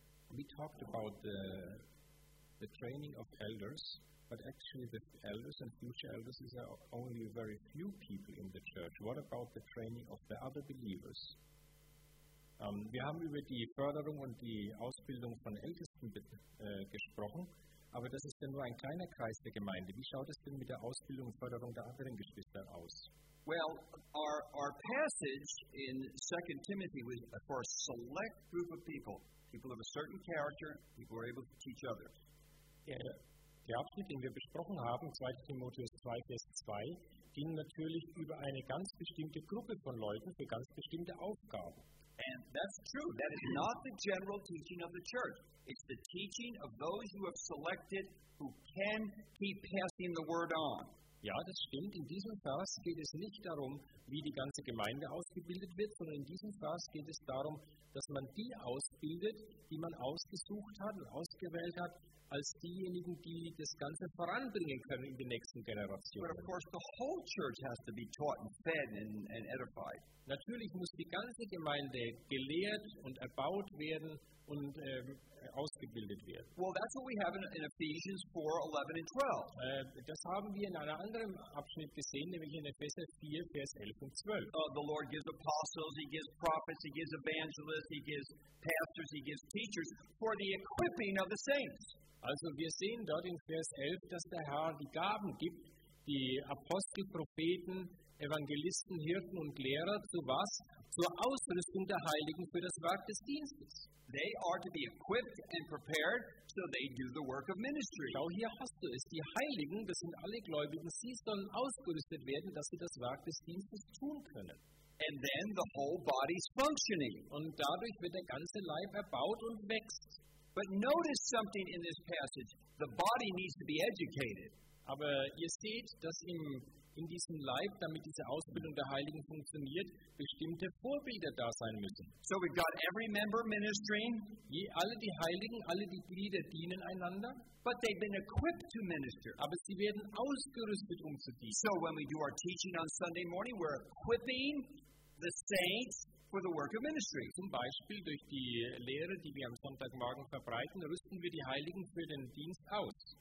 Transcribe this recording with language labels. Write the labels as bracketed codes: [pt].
[en] We talked about the training of elders. But actually, the elders and future elders is only very few people in the church. What about the training of the other believers? [de] Wir haben über die Förderung und die Ausbildung von Ältesten gesprochen, aber das ist ja nur ein kleiner Kreis der Gemeinde. Wie schaut es denn mit der Ausbildung und Förderung der anderen Geschwister aus? [en] Well, our passage in 2 Timothy was for a select group of people, people of a certain character, people who are able to teach others. Yeah. [de] Der Abschnitt, den wir besprochen haben, 2. Timotheus 2, Vers 2, ging natürlich über eine ganz bestimmte Gruppe von Leuten für ganz bestimmte Aufgaben. [en] And that's true. That is not the general teaching of the church. It's the teaching of those who have selected who can keep passing the word on. [de] Ja, das stimmt. In diesem Vers geht es nicht darum, wie die ganze Gemeinde ausgebildet wird, sondern in diesem Vers geht es darum, dass man die ausbildet, die man ausgesucht hat und ausgewählt hat, als diejenigen, die das Ganze voranbringen können in den nächsten Generationen. [en] But of course, the whole church has to be taught and fed and edified. [de] Natürlich muss die ganze Gemeinde gelehrt und erbaut werden und ausgebildet werden. [en] Well, that's what we have in Ephesians 4, 11 and 12. [de] Das haben wir in einem anderen Abschnitt gesehen, nämlich in Epheser 4, Vers 11 und 12. [en] The Lord gives apostles, he gives prophets, he gives evangelists, he gives pastors, he gives teachers for the equipping of the saints. [de] Also wir sehen dort in Vers 11, dass der Herr die Gaben gibt, die Apostel, Propheten, Evangelisten, Hirten und Lehrer zu was? Zur Ausrüstung der Heiligen für das Werk des Dienstes. [en] They are to be equipped and prepared so they do the work of ministry. [de] Schau, hier hast du es. Die Heiligen, das sind alle Gläubigen, sie sollen ausgerüstet werden, dass sie das Werk des Dienstes tun können. [en] And then the whole body's functioning. [de] Und dadurch wird der ganze Leib erbaut und wächst. [en] But notice something in this passage. The body needs to be educated. [de] Aber ihr seht, dass in diesem Leib, damit diese Ausbildung der Heiligen funktioniert, bestimmte Vorbilder da sein müssen. [en] So we've got every member ministering. [de] Alle die Heiligen, alle die Glieder dienen einander. [en] But they've been equipped to minister. [de] Aber sie werden ausgerüstet, um zu dienen. [en] So when we do our teaching on Sunday morning, we're equipping the saints for the work of ministry. [de] Zum Beispiel durch die Lehre, die wir am Sonntagmorgen verbreiten, rüsten wir die Heiligen für den Dienst aus.